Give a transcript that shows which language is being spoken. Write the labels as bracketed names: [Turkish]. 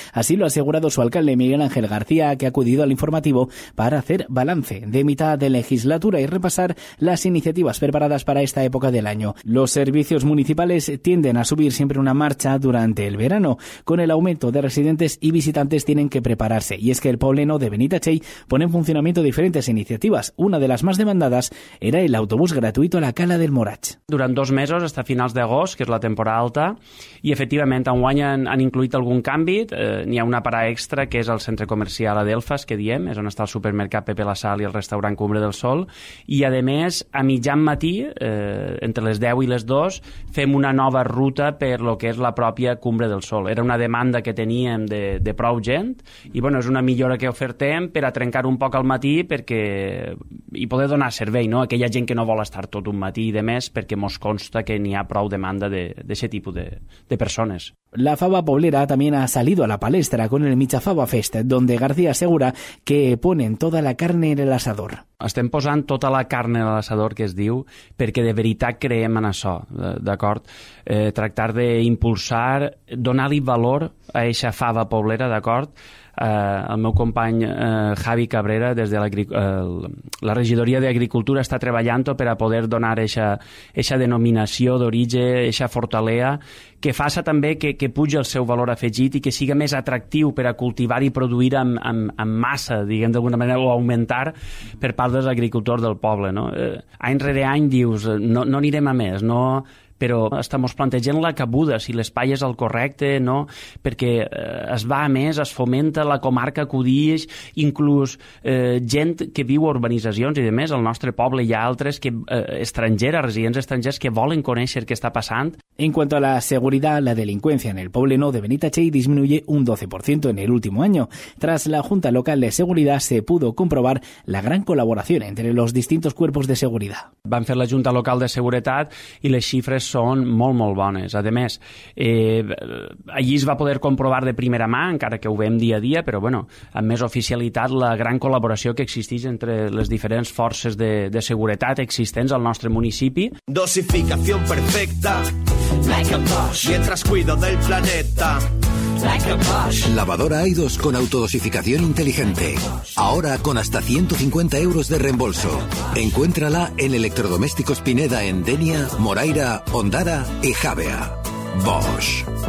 [Spanish] Así lo ha asegurado su alcalde, Miguel Ángel García, que ha acudido al informativo para hacer balance de mitad de legislatura y repasar las iniciativas preparadas para esta época del año. Los servicios municipales tienden a subir siempre una marcha durante el verano. Con el aumento de residentes y visitantes tienen que prepararse, y es que el Poblenou de Benitatxell pone en funcionamiento diferentes iniciativas. Una de las más demandadas era el autobús gratuito a la Cala del Morach. [Catalan] Durant dos mesos, hasta finals d'agost, que és la temporada alta, i efectivament enguany han incluït algun canvi. N'hi ha una parada extra, que és el centre comercial Adelfas, que diem, és on està el supermercat Pepe La Sal i el restaurant Cumbre del Sol, i a més, a mitjan matí, entre les 10 i les 2, fem una nova ruta per lo que és la pròpia Cumbre del Sol. Era una demanda que teníem de prou gent, i bueno, és una millora que ofertem per a trencar un poc al matí perquè i poder donar servei, no?, a aquella gent que no vol estar tot un matí i demés, perquè mos consta que n'hi ha prou demanda d'aquest tipus de persones. [Spanish] La Fava Poblera también ha salido a la palestra con el Michafava Fest, donde García asegura que ponen toda la carne en el asador. [Catalan] Estem posant tota la carn en l'assador, que es diu, perquè de veritat creiem en això, d'acord? Tractar d'impulsar, donar-li valor a eixa fava poblera, d'acord? El meu company Javi Cabrera, des de la regidoria d'Agricultura, està treballant per a poder donar eixa denominació d'origen, eixa fortalea, que faça també que pugi el seu valor afegit i que siga més atractiu per a cultivar i produir amb massa, diguem d'alguna manera, o augmentar per part dels agricultors del poble, no? Any rere any dius, no anirem a més, no, però estem plantejant la cabuda, si l'espai és el correcte, no? Perquè es va a més, es fomenta la comarca que ho diix, inclús gent que viu a urbanitzacions i, a més, al nostre poble hi ha altres que, estrangeres, residents estrangers, que volen conèixer què està passant. [Spanish] En cuanto a la seguridad, la delincuencia en el poble nou de Benitatxell disminuye un 12% en el último año. Tras la Junta Local de Seguridad se pudo comprobar la gran colaboración entre los distintos cuerpos de seguridad. [Catalan] Van fer la Junta Local de Seguretat i les xifres són molt, molt bones. A més, allí es va poder comprovar de primera mà, encara que ho veiem dia a dia, però bueno, amb més oficialitat, la gran col·laboració que existeix entre les diferents forces de seguretat existents al nostre municipi. [Spanish] Dosificación perfecta. [English] Like a Bosch. [Spanish] Mientras cuido del planeta. [English] Like a Bosch. [Spanish] Lavadora Aidos con autodosificación inteligente. Ahora con hasta 150 euros de reembolso. Encuéntrala en Electrodomésticos Pineda en Denia, Moraira, Ondara y Javea. Bosch.